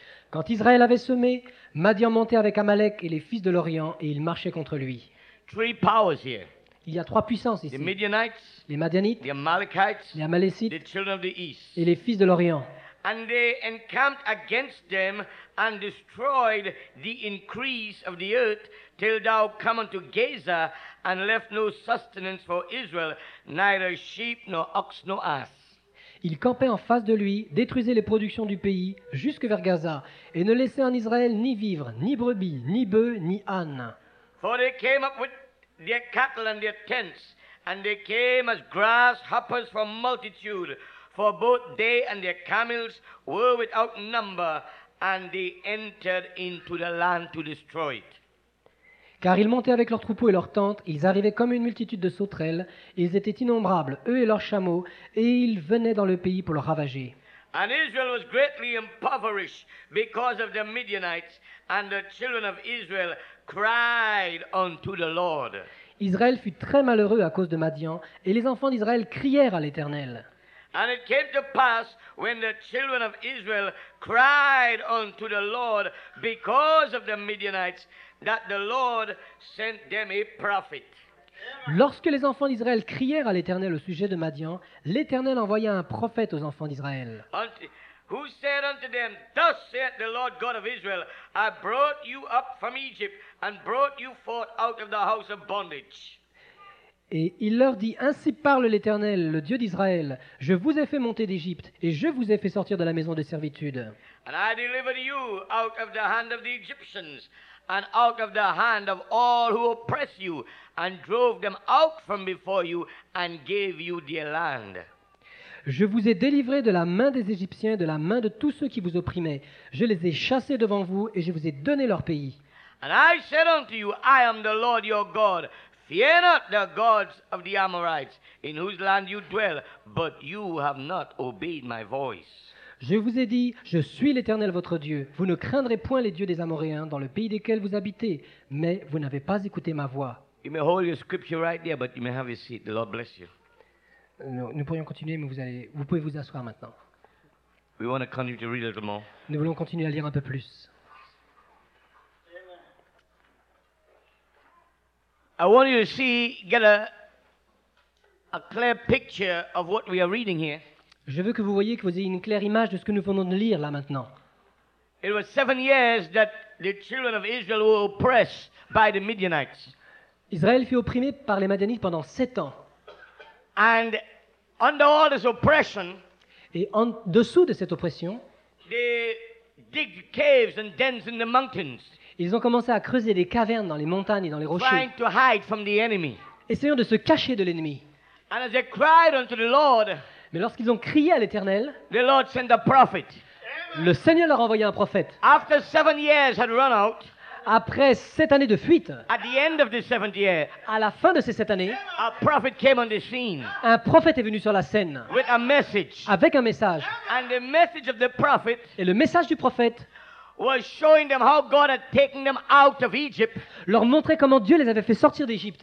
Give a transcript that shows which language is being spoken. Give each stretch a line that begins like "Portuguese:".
French: Quand Israël avait semé, Madian montait avec Amalek et les fils de l'Orient et ils marchaient contre lui.
English: Three powers here.
French: Il y a trois puissances ici.
English: The Midianites,
French: les Madianites,
English: the Amalekites,
French: les Amalécites,
English: the children of the east.
French: Et les fils de l'Orient.
English: And they encamped against them and destroyed the increase of the earth till thou come unto Gaza and left no sustenance for Israel, neither sheep nor ox nor ass.
French: Ils campaient en face de lui, détruisaient les productions du pays jusque vers Gaza et ne laissaient en Israël ni vivres, ni brebis, ni bœufs, ni ânes.
English: For they came up with their cattle and their tents, and they came as grasshoppers for multitude. For both they and their camels were without number, and they entered into the land to destroy it.
French: Car ils montaient avec leurs troupeaux et leurs tentes, ils arrivaient comme une multitude de sauterelles, ils étaient innombrables, eux et leurs chameaux, et ils venaient dans le pays pour le ravager.
English: And Israel was greatly impoverished because of the Midianites, and the children of Israel cried unto the Lord.
French: Israël fut très malheureux à cause de Madian, et les enfants d'Israël crièrent à l'Éternel.
English: And it came to pass when the children of Israel cried unto the Lord because of the Midianites that the Lord sent them a prophet.
French: Lorsque les enfants d'Israël crièrent à l'Éternel au sujet de Madian, l'Éternel envoya un prophète aux enfants d'Israël.
English: Who said unto them, Thus saith the Lord God of Israel, I brought you up from Egypt and brought you forth out of the house of bondage.
French: Et il leur dit, ainsi parle l'Éternel, le Dieu d'Israël, je vous ai fait monter d'Égypte et je vous ai fait sortir de la maison de servitude.
English: And I delivered you out of the hand of the Egyptians and out of the hand of all who oppress you and drove them out from before you and gave you their land.
French: Je vous ai délivré de la main des Égyptiens, de la main de tous ceux qui vous opprimaient. Je les ai chassés devant vous et je vous ai donné leur pays.
English: And I said unto you, I am the Lord your God. Fear not the gods of the Amorites, in whose land you dwell, but you have not obeyed my voice.
French: Je vous ai dit, je suis l'Éternel votre Dieu. Vous ne craindrez point les dieux des Amoréens dans le pays desquels vous habitez, mais vous n'avez pas écouté ma voix.
English: You may hold your scripture right there, but you may have a seat. The Lord bless you.
French: Nous pourrions continuer, mais vous pouvez vous asseoir maintenant.
English: We want to continue to read a little more.
French: Nous voulons continuer à lire un peu plus.
English: I want you to get a clear picture of what we are reading here.
French: Je veux que vous voyez, que vous ayez une claire image de ce que nous venons de lire là maintenant.
English: It was 7 years that the children of Israel were oppressed by the Midianites.
French: Israël fut opprimé par les Madianites pendant 7 ans.
English: And under all this oppression,
French: et en dessous de cette oppression,
English: they dig caves and dens in the mountains.
French: Ils ont commencé à creuser des cavernes dans les montagnes et dans les rochers.
English: Trying to hide from the enemy.
French: Essayant de se cacher de l'ennemi.
English: And as they cried unto the Lord,
French: mais lorsqu'ils ont crié à l'Éternel,
English: the Lord sent a prophet.
French: Le Seigneur leur envoyait un prophète.
English: After 7 years had run out,
French: après 7 années de fuite,
English: at the end of the 7th year,
French: à la fin de ces 7 années,
English: a prophet came on the scene,
French: un prophète est venu sur la scène
English: with a message,
French: avec un message.
English: And the message of the prophet,
French: et le message du prophète
English: was showing them how God had taken them out of Egypt.
French: Leur montrer comment Dieu les avait fait sortir d'Égypte.